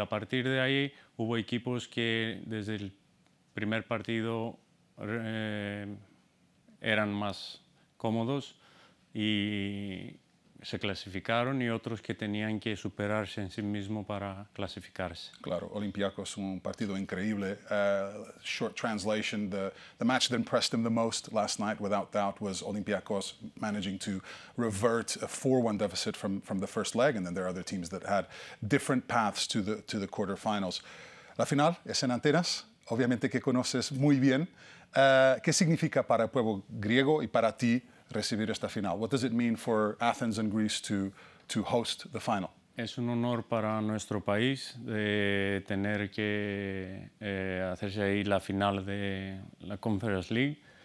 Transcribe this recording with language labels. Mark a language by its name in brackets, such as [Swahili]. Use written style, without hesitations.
[Spanish] A partir de ahí hubo equipos que desde el primer partido eran más cómodos y se clasificaron y otros que tenían que superarse en sí mismo para clasificarse. Claro, Olympiacos, un partido increíble. [English] Short translation, the match that impressed him the most last night, without doubt, was Olympiacos managing to revert a 4-1 deficit from the first leg, and then there are other teams that had different paths to the quarterfinals. [Spanish] La final es en Atenas, obviamente que conoces muy bien. ¿Qué significa para el pueblo griego y para ti recibir esta final? [English] What does it mean for Athens and Greece to host the final? [Spanish] Es un honor para nuestro país de tener que hacerse ahí la final de la Conference League.